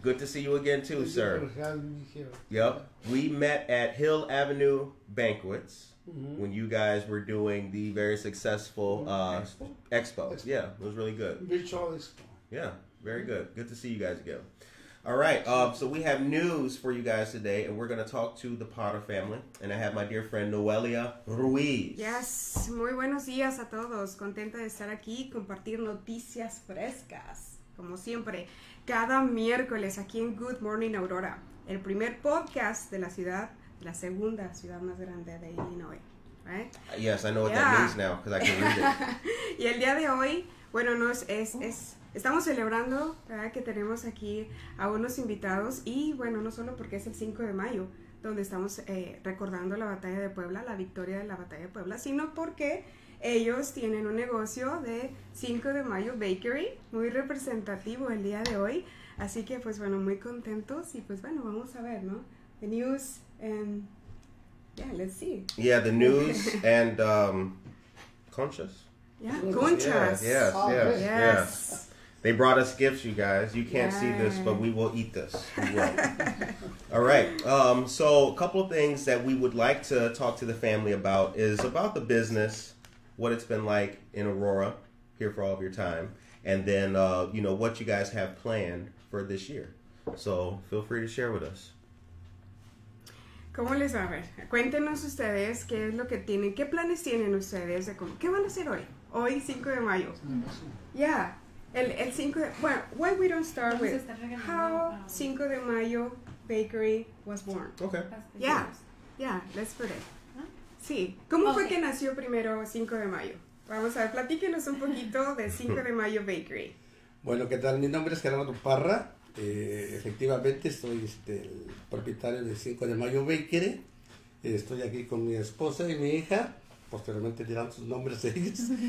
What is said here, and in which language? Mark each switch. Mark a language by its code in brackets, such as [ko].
[en] Good to see you again too, thank sir. Yep. We met at Hill Avenue Banquets when you guys were doing the very successful expo. Yeah, it was really good. Virtual expo. Yeah, very good. Good to see you guys again. All right. So we have news for you guys today, and we're going to talk to the Potter family. And I have my dear friend Noelia Ruiz. [es] Yes. Muy buenos días a todos. Contenta de estar aquí y compartir noticias frescas, como siempre, cada miércoles aquí en Good Morning Aurora, el primer podcast de la ciudad, la segunda ciudad más grande de Illinois. [en] Right? Yes, I know what that means now because I can read it. [es] Y el día de hoy, bueno, no es estamos celebrando, ¿verdad?, que tenemos aquí a unos invitados y, bueno, no solo porque es el 5 de mayo, donde estamos recordando la Batalla de Puebla, la victoria de la Batalla de Puebla, sino porque ellos tienen un negocio de 5 de mayo Bakery, muy representativo el día de hoy. Así que, pues, bueno, muy contentos y, pues, bueno, vamos a ver, ¿no? [en] The news and, yeah, let's see. Yeah, the news and conchas. Yeah, conchas. Yes. They brought us gifts, you guys. You can't see this, but we will eat this. We will. All right. So a couple of things that we would like to talk to the family about is about the business, what it's been like in Aurora here for all of your time, and then, you know, what you guys have planned for this year. So feel free to share with us. [es] ¿Cómo les va? A ver, cuéntenos ustedes qué es lo que tienen, qué planes tienen ustedes, de cómo, qué van a hacer hoy, hoy 5 de mayo. [en] Yeah. El cinco de, well, why we don't start with how Cinco de Mayo Bakery was born. Okay. Yeah, let's put it. Sí. [es] ¿Cómo fue que nació primero Cinco de Mayo? Vamos a ver, platíquenos un poquito de Cinco de Mayo Bakery. Bueno, ¿qué tal? Mi nombre es Gerardo Parra. Efectivamente, soy el propietario de Cinco de Mayo Bakery. Estoy aquí con mi esposa y mi hija. Posteriormente dirán sus nombres ellos.